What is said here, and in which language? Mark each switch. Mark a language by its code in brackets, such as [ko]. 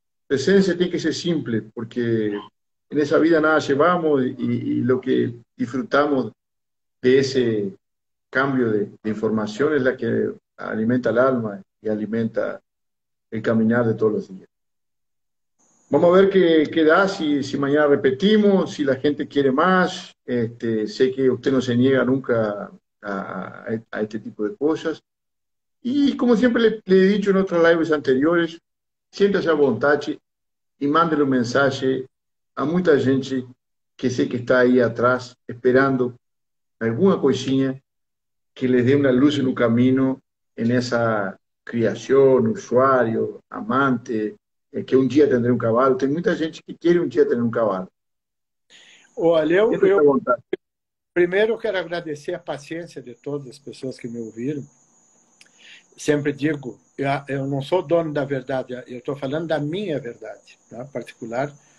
[pt] a essência tem que ser simples, porque nessa vida nada levamos e o que disfrutamos desse cambio de informação é a que alimenta a alma e alimenta o caminhar de todos os dias. [es] Vamos a ver qué da, si mañana repetimos, si la gente quiere más. Sé que usted no se niega nunca a este tipo de cosas. Y como siempre le he dicho en otras lives anteriores, siéntase [pt] a vontade [es] y mándele un mensaje a mucha gente que sé que está ahí atrás esperando alguna coisinha que les dé una luz en un camino en esa criación, usuario, amante. [pt] É que um dia tendrei um cavalo. Tem muita gente que quer um dia ter um cavalo. Olha, Sinta-se à vontade. primeiro eu quero agradecer a paciência de todas as pessoas que me ouviram. Sempre digo, eu não sou dono da verdade, eu estou falando da minha verdade, tá? Particular.